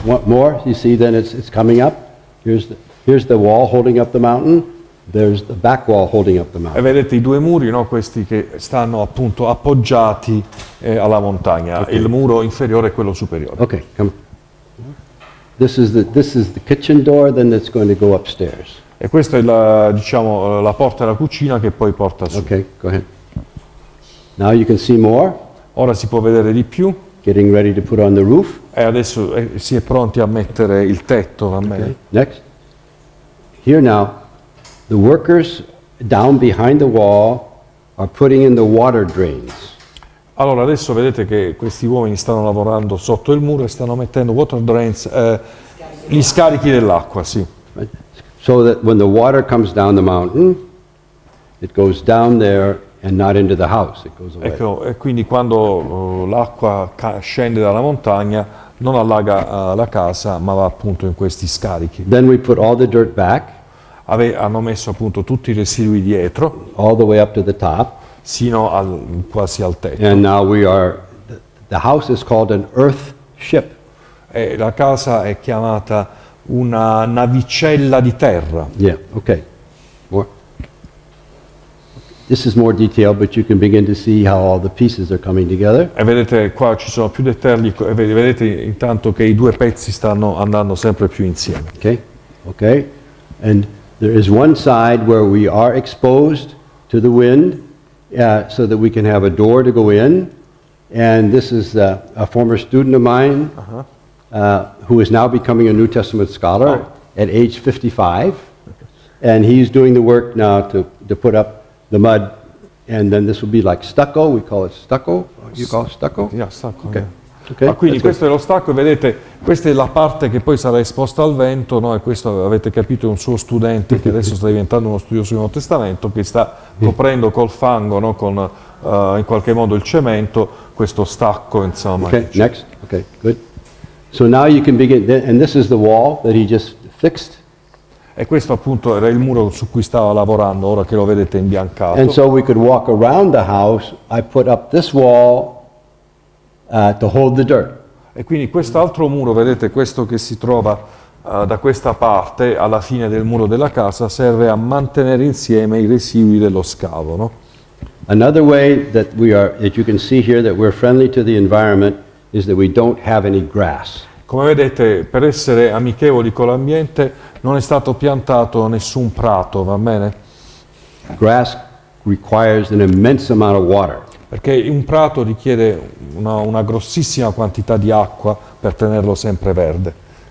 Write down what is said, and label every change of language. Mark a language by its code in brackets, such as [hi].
[en] One more, you see, then it's coming up. Here's the wall holding up the mountain. There's the back wall holding up the mountain. [it] E vedete i due muri, no? Questi che stanno appunto appoggiati alla montagna. Okay. Il muro inferiore e quello superiore. [en] Okay, come. This is the kitchen door, then it's going to go upstairs. [it] E questa è la, diciamo, la porta della cucina che poi porta su. [en] Okay, go ahead. Now you can see more. [it] Ora si può vedere di più. [en] Getting ready to put on the roof. [it] E adesso si è pronti a mettere il tetto, va bene. [en] Okay. Next. Here now. The workers down behind the wall are putting in the water drains. [it] Allora adesso vedete che questi uomini stanno lavorando sotto il muro e stanno mettendo water drains, gli scarichi dell'acqua, sì. [en] So that when the water comes down the mountain, it goes down there and not into the house. It goes away. [it] Ecco, e quindi quando l'acqua scende dalla montagna non allaga la casa, ma va appunto in questi scarichi. [en] Then we put all the dirt back. [it] Hanno messo appunto tutti i residui dietro, [en] all the way up to the top, [it] sino al quasi al tetto. [en] And now we are, the house is called an earth ship. [it] E la casa è chiamata una navicella di terra. [en] Yeah, okay. More. This is more detailed, but you can begin to see how all the pieces are coming together. [it] E vedete qua ci sono più dettagli. Vedete intanto che i due pezzi stanno andando sempre più insieme. [en] Okay, and there is one side where we are exposed to the wind, so that we can have a door to go in. And this is a former student of mine, who is now becoming a New Testament scholar at age 55. And he's doing the work now to put up the mud. And then this will be like stucco. We call it stucco. You call it stucco? Yeah, stucco. Okay. Yeah. [it] Okay, ma quindi questo è lo stacco, vedete, questa è la parte che poi sarà esposta al vento, no? E questo avete capito, è un suo studente che adesso sta diventando uno studioso del Nuovo Testamento, che sta coprendo col fango, no? Con in qualche modo il cemento, questo stacco, insomma. [en] Okay, next. Okay, good. So now you can begin, and this is the wall that he just fixed. [it] E questo appunto era il muro su cui stava lavorando, ora che lo vedete imbiancato. [en] And so we could walk around the house, I put up this wall. To hold the dirt. [it] E quindi quest'altro muro, vedete, questo che si trova da questa parte alla fine del muro della casa serve a mantenere insieme i residui dello scavo, no? [en] Another way that we are, that you can see here, that we're friendly to the environment is that we don't have any grass. [it] Come vedete, per essere amichevoli con l'ambiente, non è stato piantato nessun prato, va bene? [en] Grass requires an immense amount of water. [it] Perché un prato richiede una grossissima quantità di acqua per tenerlo sempre verde.